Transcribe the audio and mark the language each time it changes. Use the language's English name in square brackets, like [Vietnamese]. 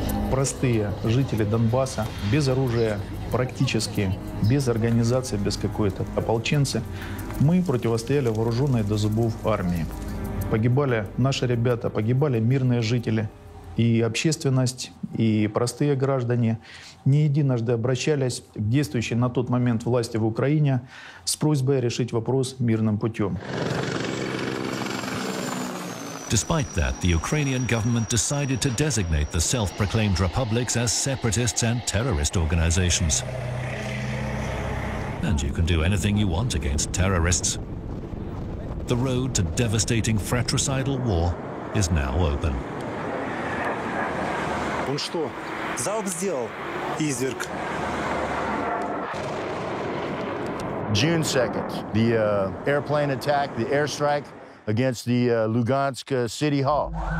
[Russian] Простые жители Донбасса, без оружия, практически без организации, без какой-то ополченцы, мы противостояли вооруженной до зубов армии. Погибали наши ребята, погибали мирные жители, и общественность, и простые граждане не единожды обращались к действующей на тот момент власти в Украине с просьбой решить вопрос мирным путем. [English] Despite that, the Ukrainian government decided to designate the self-proclaimed republics as separatists and terrorist organizations. And you can do anything you want against terrorists. The road to devastating fratricidal war is now open. [Russian] Он что, залп сделал, изверг? [English] June 2nd, the airplane attack, the airstrike against the Lugansk City Hall.